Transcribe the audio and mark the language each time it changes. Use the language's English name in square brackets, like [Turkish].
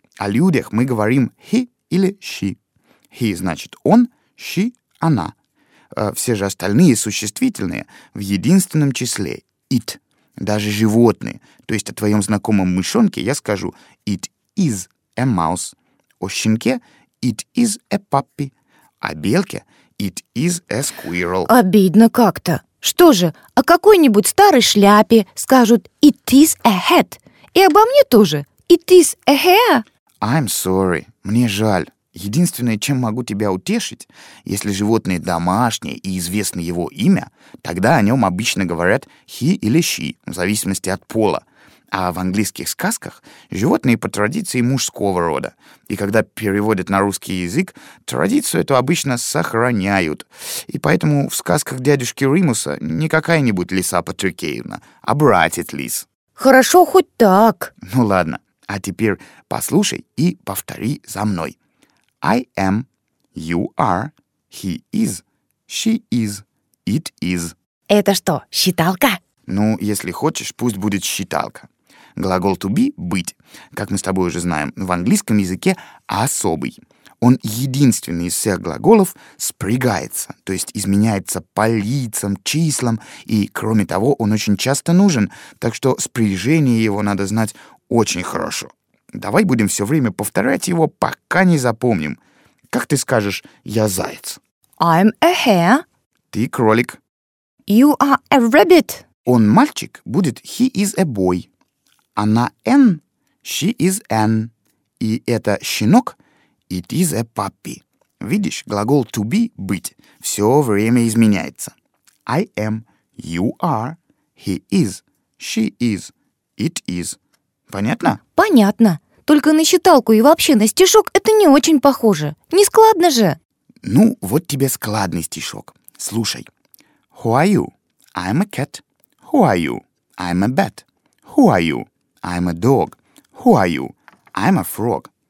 [Russian] О людях мы говорим he или she. He значит он, she – она. Все же остальные существительные в единственном числе «it». Даже животные. То есть о твоем знакомом мышонке я скажу [English] «it is a mouse». [Russian] О щенке [English] «it is a puppy». [Russian] О белке [English] «it is a squirrel». [Russian] Обидно как-то. Что же, о какой-нибудь старой шляпе скажут [English] «it is a hat». [Russian] И обо мне тоже [English] «it is a hair». I'm sorry. [Russian] Мне жаль. Единственное, чем могу тебя утешить, если животное домашнее и известно его имя, тогда о нем обычно говорят he или she, в зависимости от пола. А в английских сказках животные по традиции мужского рода. И когда переводят на русский язык, традицию эту обычно сохраняют. И поэтому в сказках дядюшки Римуса не какая-нибудь лиса Патрикеевна, а братец лис. Хорошо хоть так. Ну ладно, а теперь послушай и повтори за мной. [English] I am, you are, he is, she is, it is. [Russian] Это что, считалка? Ну, если хочешь, пусть будет считалка. Глагол to be — быть, как мы с тобой уже знаем, в английском языке особый. Он единственный из всех глаголов спрягается, то есть изменяется по лицам, числам, и, кроме того, он очень часто нужен, так что спряжение его надо знать очень хорошо. Давай будем все время повторять его, пока не запомним. Как ты скажешь «я заяц»? [English] I'm a hare. [Russian] Ты кролик. [English] You are a rabbit. [Russian] Он мальчик, будет [English] he is a boy. [Russian] Она n, [English] she is n. [Russian] И это щенок, [English] it is a puppy. [Russian] Видишь, глагол to be, быть, все время изменяется. [English] I am, you are, he is, she is, it is. [Russian] Понятно? Понятно. Только на считалку и вообще на стишок это не очень похоже. Не складно же. Ну, вот тебе складный стишок. Слушай. [English] Who are you? I'm a cat. Who are you? I'm a bat. Who are you? I'm a dog. Who are you? I'm a frog.